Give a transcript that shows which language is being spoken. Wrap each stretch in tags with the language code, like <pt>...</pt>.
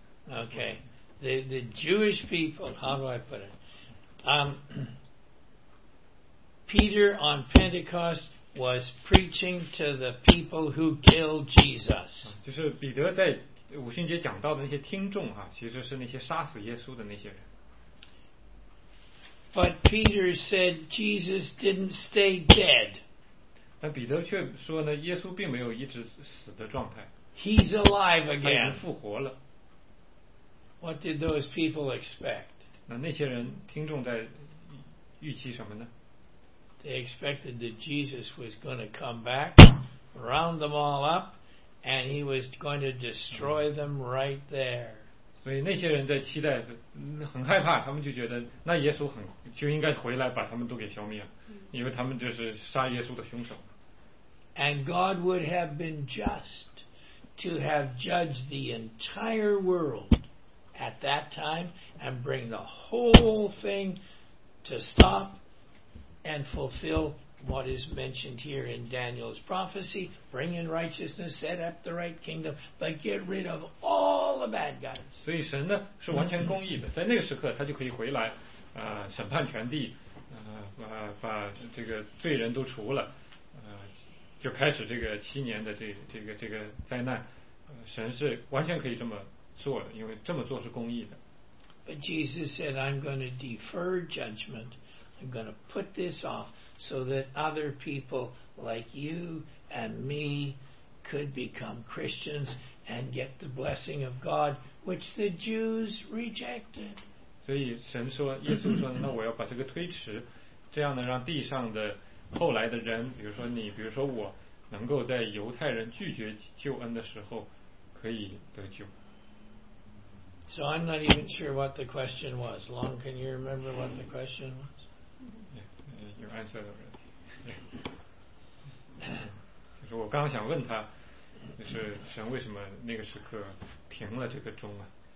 <en>Okay, the Jewish people, how do I put it? Peter on Pentecost was preaching to the people who killed Jesus.</en> <zh>就是彼得在五旬节讲到的那些听众啊，其实是那些杀死耶稣的那些人。</zh> <en>But Peter said Jesus didn't stay dead.</en> <zh>但彼得却说呢，耶稣并没有一直死的状态。</zh> <en>He's alive again.</en> <zh>他已经复活了。</zh> <en>What did those people expect?</en> <zh>那些人听众在预期什么呢？</zh> <en>They expected that Jesus was going to come back, round them all up, and he was going to destroy them right there.</en> <zh>所以那些人在期待，很害怕，他们就觉得那耶稣很就应该回来把他们都给消灭，因为他们就是杀耶稣的凶手。</zh> <en>And God would have been just to have judged the entire world at that time and bring the whole thing to stop. And fulfill what is mentioned here in Daniel's prophecy, bring in righteousness, set up the right kingdom, but get rid of all the bad guys.</en> <zh>所以神呢是完全公义的，在那个时刻他就可以回来，审判全地，把这个罪人都除了，就开始这个七年的这个灾难。神是完全可以这么做的，因为这么做是公义的。</zh> <en>But Jesus said, "I'm going to defer judgment." I'm going to put this off so that other people like you and me could become Christians and get the blessing of God, which the Jews rejected.</en> <zh>所以神说，耶稣说，那我要把这个推迟，这样呢，让地上的后来的人，比如说你，比如说我，能够在犹太人拒绝救恩的时候，可以得救。</zh> <en>So I'm not even sure what the question was. Long, can you remember what the question was? You answered already.</en> <zh>就是我刚刚想问他，就是神为什么那个时刻停了这个钟啊？</zh>